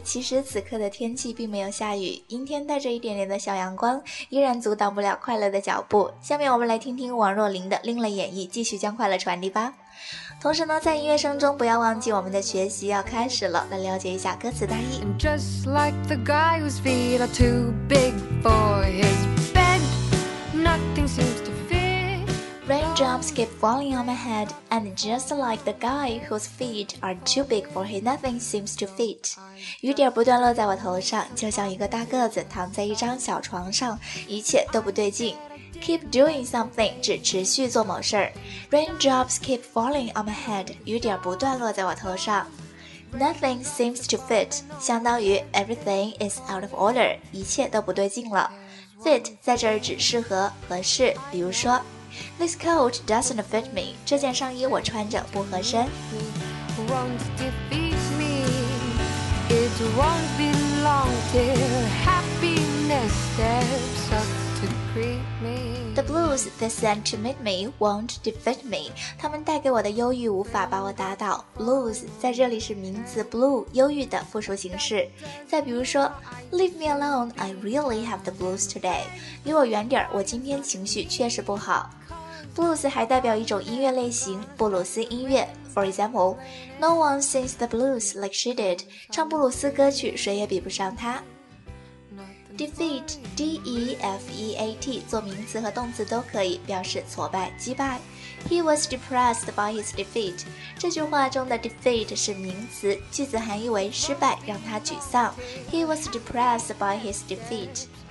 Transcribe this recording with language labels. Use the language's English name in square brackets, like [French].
[Chinese] 其实此刻的天气并没有下雨，阴天带着一点点的小阳光，依然阻挡不了快乐的脚步。下面我们来听听王若琳的另类演绎，继续将快乐传递吧。同时呢，在音乐声中不要忘记我们的学习要开始了，来了解一下歌词大意。 [English] And just like the guy whose feet are too big for his bed, nothing seems to fit. Raindrops keep falling on my headAnd just like the guy whose feet are too big for him, nothing seems to fit. [Chinese] 雨点不断落在我头上，就像一个大个子躺在一张小床上，一切都不对劲。 [English] Keep doing something, [Chinese] 只持续做某事。 [English] Raindrops keep falling on my head, [Chinese] 雨点不断落在我头上。 [English] Nothing seems to fit, 相当于 everything is out of order, [Chinese] 一切都不对劲了。 Fit 在这儿指适合、合适，比如说 [English] This coat doesn't fit me. [Chinese] 这件上衣我穿着不合身。 [English] Won't defeat me. It won't be long till happiness steps up to me. treat me. The blues that sent to meet me won't defeat me. [Chinese] 他们带给我的忧郁无法把我打倒。Blues 在这里是名词 blue 忧郁的复数形式。再比如说 [English] ，Leave me alone, I really have the blues today. [Chinese] 离我远点，我今天情绪确实不好。Blues 还代表一种音乐类型，布鲁斯音乐。 [English] For example, no one sings the blues like she did. [Chinese] 唱布鲁斯歌曲，谁也比不上她。Defeat, D-E-F-E-A-T, 做名词和动词都可以，表示挫败、击败。 [English] He was depressed by his defeat. [Chinese] 这句话中的 defeat 是名词，句子含义为失败，让他沮丧。 [English] He was depressed by his defeat.